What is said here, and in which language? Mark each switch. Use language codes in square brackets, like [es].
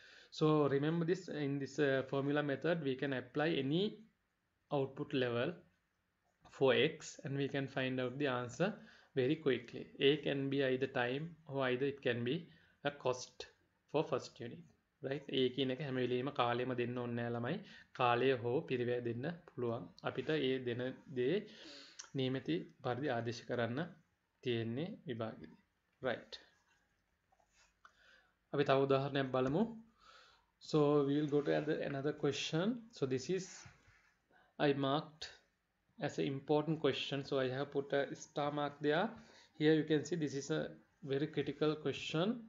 [en] So remember this, in this formula method, we can apply any output level for x and we can find out the answer very quickly. A can be either time or either it can be a cost for first unit, right? [si] A කියන එක හැම වෙලෙම කාලෙම දෙන්න ඕනේ නැහැ ළමයි. කාලය හෝ පිරිවැය දෙන්න පුළුවන්. අපිට ඒ දෙන දේ නියමිතී පරිදි ආදේශ කරන්න තියෙන්නේ විභාගෙදි. [en] Right. [si] අපි තව උදාහරණයක් බලමු. [en] So we will go to another question. So this is I marked as an important question. So I have put a star mark there. Here you can see this is a very critical question.